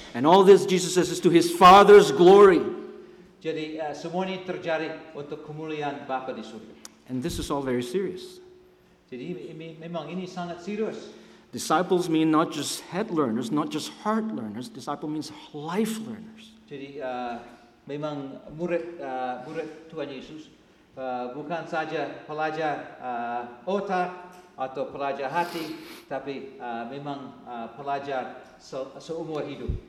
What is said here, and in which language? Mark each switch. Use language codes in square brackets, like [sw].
[en] And all this, Jesus says, is to his Father's glory. [id] Jadi semua ini terjadi untuk kemuliaan Bapa di surga. [en] And this is all very serious. [id] Jadi memang ini sangat serius. [en] Disciples mean not just head learners, not just heart learners. Disciple means life learners. [id] Jadi memang murid Tuhan Yesus bukan saja pelajar otak atau pelajar hati, tapi memang pelajar seumur hidup.